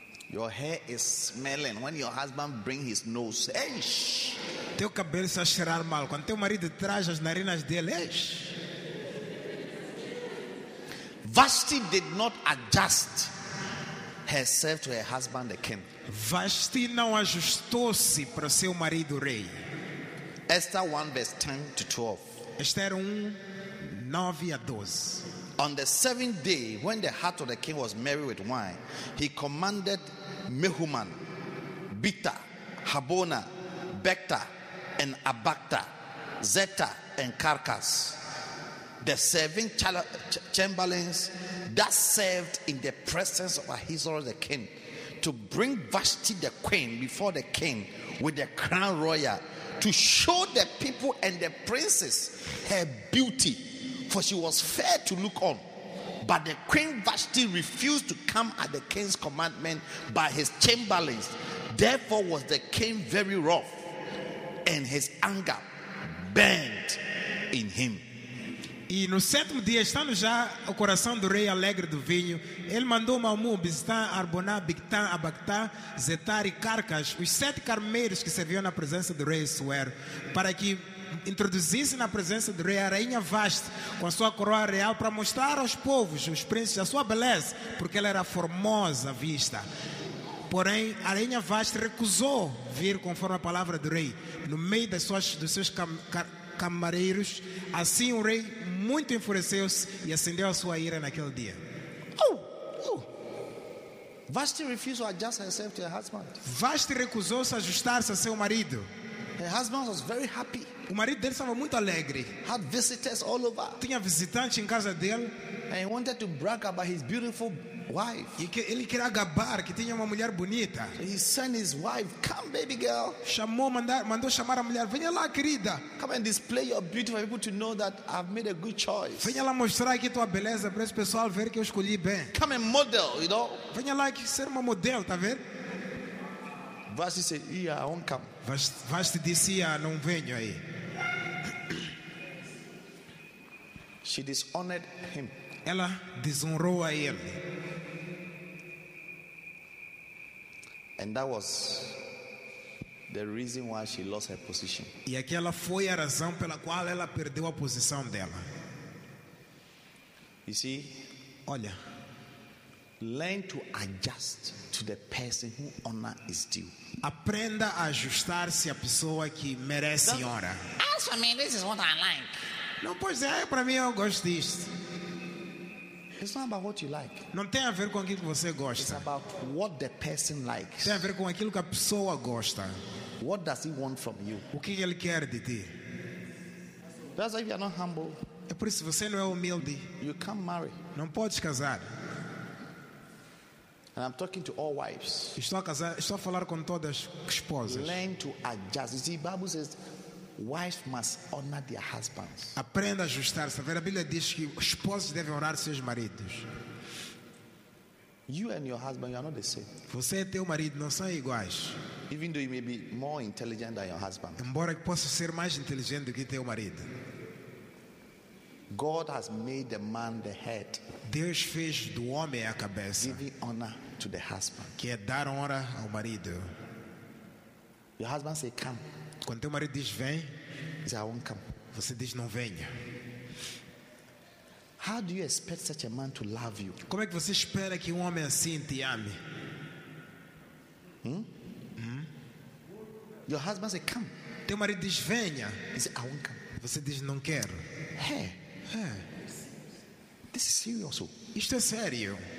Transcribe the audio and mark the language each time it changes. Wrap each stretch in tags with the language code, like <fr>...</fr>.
<en>Your hair is smelling when your husband brings his nose. Eish.</en> <pt>Teu cabelo está a cheirar mal quando teu marido traz as narinas dele. Eish.</pt> <en>Vashti did not adjust herself to her husband the king.</en> <pt>Vashti não ajustou-se para seu marido rei.</pt> <en>Esther 1 verse 10 to 12.</en> <pt>Esther 1 9 a 12.</pt> <en>On the seventh day, when the heart of the king was merry with wine, he commanded Mehuman, Bita, Habona, Bekta, and Abakta, Zeta, and Karkas, the serving chamberlains that served in the presence of Ahasuerus the king, to bring Vashti the queen before the king with the crown royal, to show the people and the princes her beauty, for she was fair to look on. But the queen Vashti refused to come at the king's commandment by his chamberlains. Therefore was the king very wroth, and his anger burned in him.</en> <pt>E no sétimo dia, estando já o coração do rei alegre do vinho, ele mandou Mahmud, Bistã, Arboná, Bictã, Abactã, Zetar e Carcas, os sete carmeiros que serviam na presença do rei Suer, para que introduzisse na presença do rei a rainha Vashti com a sua coroa real, para mostrar aos povos, os príncipes, a sua beleza, porque ela era formosa à vista. Porém, a rainha Vashti recusou vir conforme a palavra do rei, no meio das suas, dos seus camareiros. Assim o rei muito enfureceu-se e acendeu a sua ira naquele dia.</pt> <en>Vashti refused to adjust herself to her husband.</en> <pt>Vashti recusou-se a ajustar-se a seu marido.</pt> <en>Her husband was very happy.</en> <pt>O marido dele estava muito alegre.</pt> <en>Had visitors all over.</en> <pt>Tinha visitantes em casa dele.</pt> <en>And he wanted to brag about his beautiful wife.</en> <pt>E que ele queria gabar que tinha uma mulher bonita.</pt> <en>So he sent his wife, come baby girl.</en> <pt>Chamou, mandou chamar a mulher. Venha lá, querida.</pt> <en>Come and display your beauty for people to know that I've made a good choice.</en> <pt>Venha lá mostrar aqui tua beleza para esse pessoal ver que eu escolhi bem.</pt> <en>Come and model, you know.</en> <pt>Venha lá aqui ser uma modelo, tá vendo?</pt> <en>Vashti said, yeah, I won't come.</en> <pt>Vashti disse, ah, não venho aí.</pt> <en>She dishonored him.</en> <pt>Ela desonrou a ele.</pt> <en>And that was the reason why she lost her position.</en> <pt>E aquela foi a razão pela qual ela perdeu a posição dela.</pt> <en>You see?</en> <pt>Olha.</pt> <en>Learn to adjust to the person who honor is due.</en> <pt>Aprenda a ajustar-se à pessoa que merece honra.</pt> <en>Ask for me, this is what I like.</en> <pt>Não, pois é, para mim eu gosto disto.</pt> <en>It's not about what you like.</en> <pt>Não tem a ver com aquilo que você gosta.</pt> <en>It's about what the person likes.</en> <pt>Tem a ver com aquilo que a pessoa gosta.</pt> <en>What does he want from you?</en> <pt>O que ele quer de ti?</pt> <en>That's why you are not humble.</en> <pt>É por isso, você não é humilde.</pt> <en>You can't marry.</en> <pt>Não podes casar.</pt> <en>And I'm talking to all wives.</en> <pt>Estou a falar com todas as esposas.</pt> <en>Learn to adjust. You see, the Bible says, Wives must honor their husbands.</en> <pt>Aprenda a ajustar-se. A Bíblia diz que os esposos devem honrar seus maridos.</pt> <en>You and your husband, you are not the same.</en> <pt>Você e teu marido não são iguais.</pt> <en>Even though you may be more intelligent than your husband.</en> <pt>Embora que possa ser mais inteligente do que teu marido.</pt> <en>God has made the man the head.</en> <pt>Deus fez do homem a cabeça.</pt> <en>Giving honor to the husband.</en> <pt>Que é dar honra ao marido.</pt> <en>Your husband say, come.</en> <pt>Quando teu marido diz vem,</pt> <en>he say, I won't come.</en> <pt>Você diz não venha.</pt> <en>How do you expect such a man to love you?</en> <pt>Como é que você espera que homem assim te ame?</pt> <en>Your husband say, come.</en> <pt>Teu marido diz venha.</pt> <en>He say, I won't come.</en> <pt>Você diz não quero. Hey. Hey.</pt> <en>This is serious.</en> <pt>Isto é sério.</pt>